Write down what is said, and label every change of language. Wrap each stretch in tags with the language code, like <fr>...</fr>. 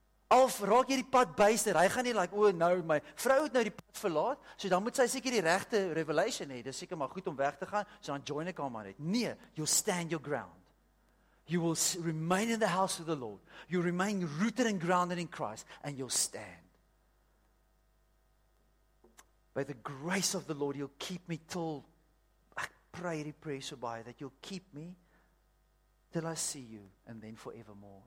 <af>Al raak jy die pad byster, hy gaan nie like, "Oh, nou my vrou het nou die pad verlaat, so dan moet sy seker die regte revelation hê. Dis seker maar goed om weg te gaan, so dan join ek hom maar net."</af> <en>Nee, you'll stand your ground. You will remain in the house of the Lord. You remain rooted and grounded in Christ, and you'll stand. By the grace of the Lord, you'll keep me till, I pray</en> <af>hierdie</af> <en>prayer</en> <af>so baie,</af> <en>that you'll keep me till I see you, and then forevermore.</en>